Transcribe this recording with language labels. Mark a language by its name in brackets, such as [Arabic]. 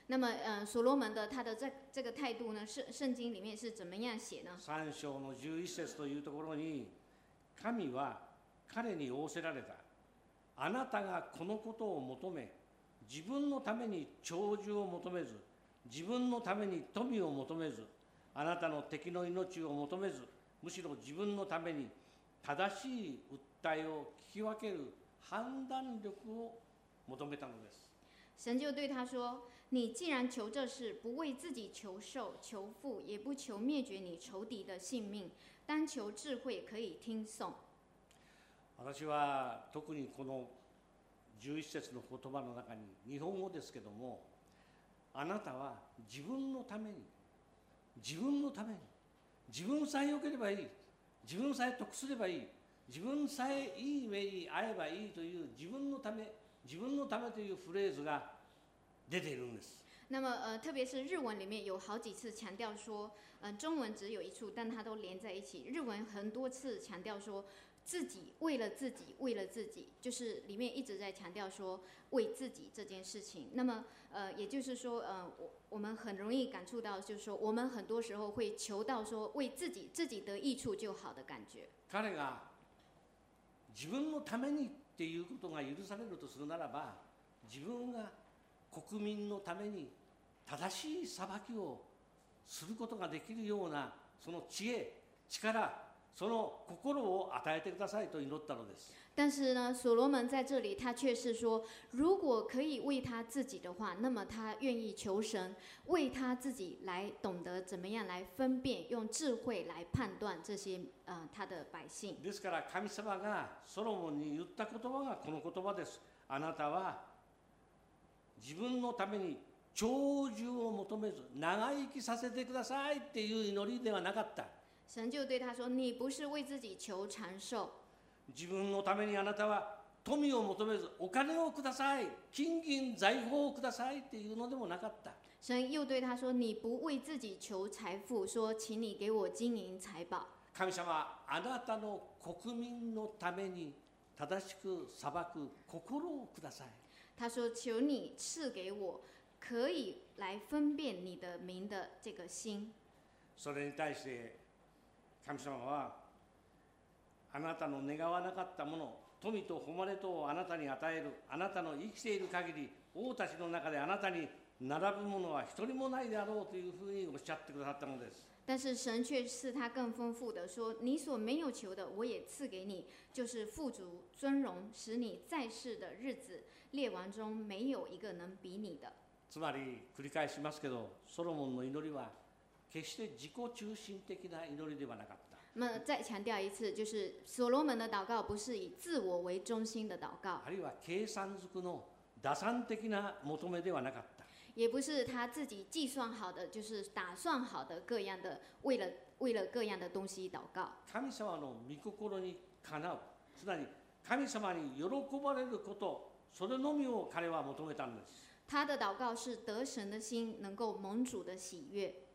[Chinese] 那么所罗门的他的 这个態度呢，圣经里面是怎么样写呢？ [Japanese] 三章の十一節というところに、神は彼に仰せられた。あなたがこのことを求め、自分のために長寿を求めず、自分のために富を求めず、あなたの敵の命を求めず、むしろ自分のために正しい訴えを聞き分ける判断力を求めたのです。 [Chinese] 神就对他说：“你既然求这事，不为自己求寿、求富，也不求灭绝你仇敌的性命，单求智慧可以听颂。” [Japanese] 私は特にこの十一節の言葉の中に日本語ですけども、あなたは自分のために、自分のために、自分さえ良ければいい。自分さえ得すればいい、自分さえいい目に遭えばいいという自分のため、自分のためというフレーズが出ているんです。 [Chinese] 那么特别是日文里面有好几次强调说，中文只有一处，但它都连在一起。日文很多次强调说自己为了自己，为了自己，就是里面一直在强调说为自己这件事情。那么也就是说我们很容易感触到，就是说我们很多时候会求到说为自己得益处就好的感觉。 [Japanese] 彼が自分のためにっていうことが許されるとするならば、自分が国民のために正しい裁きをすることができるようなその知恵、力、その心を与えてくださいと祈ったのです。 [Chinese] 但是呢，所罗门在这里他却是说，如果可以为他自己的话，那么他愿意求神为他自己来懂得怎么样来分辨，用智慧来判断这些他的百姓。 [Japanese] ですから神様がソロモンに言った言葉がこの言葉です。あなたは自分のために長寿を求めず長生きさせてくださいっていう祈りではなかった。 [Chinese] 神就对他说：“你不是为自己求长寿。” [Japanese] 自分のためにあなたは富を求めずお金をください、金銀財宝をくださいっていうのでもなかった。 [Chinese] 神又对他说：“你不为自己求财富，说请你给我金银财宝。” [Japanese] 神様、あなたの国民のために正しく裁く心をください。 [Chinese] 他说：“求你赐给我可以来分辨你的名的这个心。” [Japanese] それに対して神様はあなたの願わなかったもの、富と誉れとをあなたに与える。あなたの生きている限り王たちの中であなたに並ぶものは一人もないであろうというふうにおっしゃってくださったのです。 [Chinese] 但是神却是他更丰富的说，你所没有求的我也赐给你，就是富足尊荣，使你在世的日子列王中没有一个能比你的。 [Japanese] つまり繰り返しますけど、ソロモンの祈りは決して自己中心的な祈りではなかった。 [Chinese] 那么再强调一次，就是所罗门的祷告不是以自我为中心的祷告。 [Japanese] あるいは計算づくの打算的な求めではなかった。 [Chinese] 也不是他自己计算好的，就是打算好的各样的为了各样的东西祷告。 [Japanese] 神様の御心にかなう、つまり神様に喜ばれること、それのみを彼は求めたんです。 [Chinese] 他的祷告是得神的心能够蒙主的喜悦。